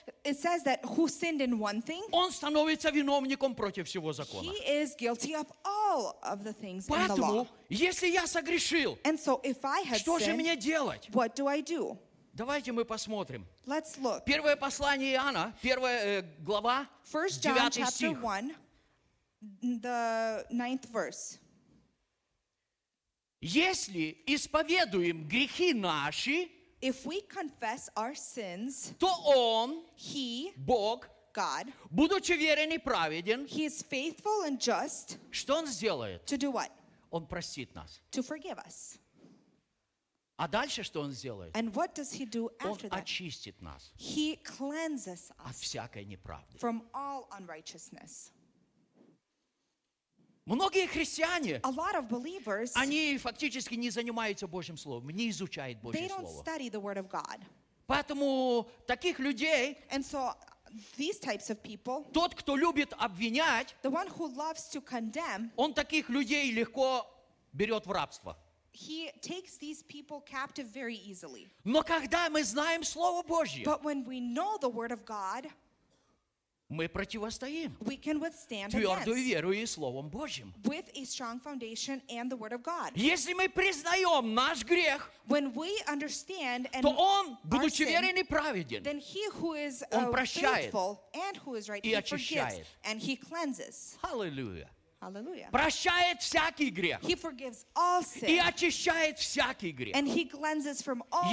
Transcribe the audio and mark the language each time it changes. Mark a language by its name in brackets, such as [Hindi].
[English] It says that who sinned in one thing. [Russian] Он становится виновником против всего закона. [English] He is guilty of all of the things [Russian] поэтому, [English] in the law. [Russian] Если я согрешил, [English] and so if I had [Russian] что [English] sinned, [Russian] же мне делать? [English] What do I do? [Russian] Давайте мы посмотрим. [English] Let's look. [Russian] Первое послание Иоанна, первая глава, 9 стих. [English] 1 John chapter 1, the 9th verse. [Russian] Если исповедуем грехи наши, [English] if we confess our sins, [Russian] то Он, [English] He, [Russian] Бог, [English] God, [Russian] будучи верен и праведен, [English] He is faithful and just, [Russian] что Он сделает? [English] To do what? [Russian] Он простит нас. [English] To forgive us. [Russian] А дальше что он сделает? [English] And what does he do after [Russian] он [English] that? [Russian] Очистит нас. [English] He cleanses us [Russian] от всякой неправды. [English] From all unrighteousness. [Russian] Многие христиане, [English] a lot of believers, [Russian] они фактически не занимаются Божьим Словом, не изучают Божье [English] they don't [Russian] Слово. [English] Study the word of God. [Russian] Поэтому таких людей, [English] and so, these types of people, [Russian] тот, кто любит обвинять, [English] the one who loves to condemn, [Russian] он таких людей легко берет в рабство. [English] He takes these people captive very easily. [Russian] Но когда мы знаем Слово Божье, [English] but when we know the word of God, [Russian] мы противостоим [English] we can withstand [Russian] твердую веру и Словом Божьим. [English] With a strong foundation and the word of God. [Russian] Если мы признаем наш грех, [English] when we understand and [Russian] то Он, будучи верен и праведен, [English] then he who is [Russian] Он прощает [English] faithful and who is right, [Russian] и очищает. [English] And he cleanses. [Russian] Аллилуйя! [English] Hallelujah. [Russian] Прощает всякий грех. [English] He forgives all sin. [Russian] И очищает всякий грех. [English] And he cleanses from all sin.